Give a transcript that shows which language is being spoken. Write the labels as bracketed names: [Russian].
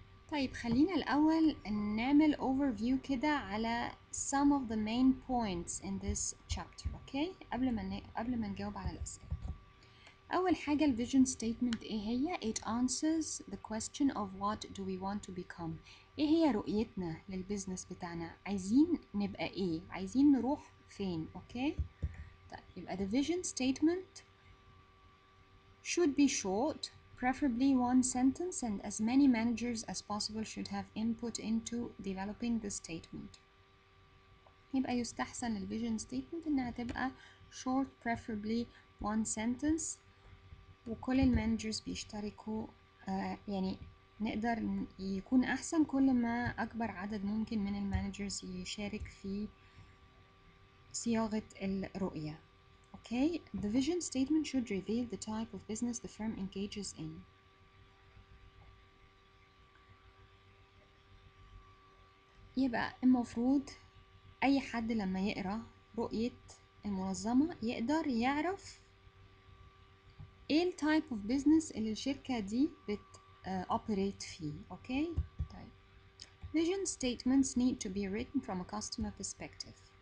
[Arabic] طيب خلينا الأول نعمل [English] overview كده على some of the main points in this chapter. okay. [Arabic] قبل ما نجاوب على الأسئلة، أول حاجة الـ vision statement إيه هي؟ [English] it answers the question of what do we want to become. [Arabic] ايه هي رؤيتنا للبزنس بتاعنا؟ عايزين نبقى ايه؟ عايزين نروح فين؟ اوكي. طيب يبقى [English] the vision statement should be short, preferably one sentence, and as many managers as possible should have input into developing the statement. [Arabic] يبقى يستحسن ال vision statement انها تبقى [English] short, preferably one sentence، [Arabic] وكل المانجرز بيشتركوا. يعني نقدر يكون أحسن كل ما أكبر عدد ممكن من المانجرز يشارك في صياغة الرؤية. [English] okay. The vision statement should reveal the type of business the firm engages in. [Arabic] يبقى المفروض أي حد لما يقرأ رؤية المنظمة يقدر يعرف إيه الـ type of business اللي الشركة دي operate fee. [English] okay. طيب. Vision statements need to be written from a customer perspective.